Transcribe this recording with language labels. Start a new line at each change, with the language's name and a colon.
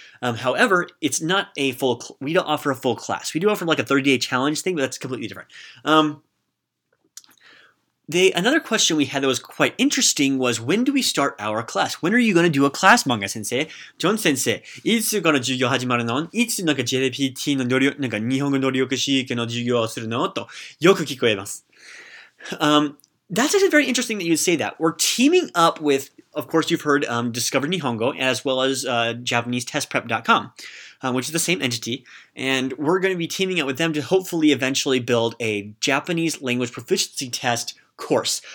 English: However, it's not a full – we don't offer a full class. We do offer like a 30-day challenge thing, but that's completely different. Another question we had that was quite interesting was, when do we start our class? When are you going to do a class, Manga-sensei?
Japanese: John-sensei, いつ から授業始まるの? いつ なんか JLPT の能力、なんか日本語能力試験の授業をするの? とよく聞こえます。
English: That's actually very interesting that you say that. We're teaming up with, of course, you've heard Discover Nihongo, as well as JapaneseTestPrep.com, which is the same entity. And we're going to be teaming up with them to hopefully eventually build a Japanese language proficiency test course.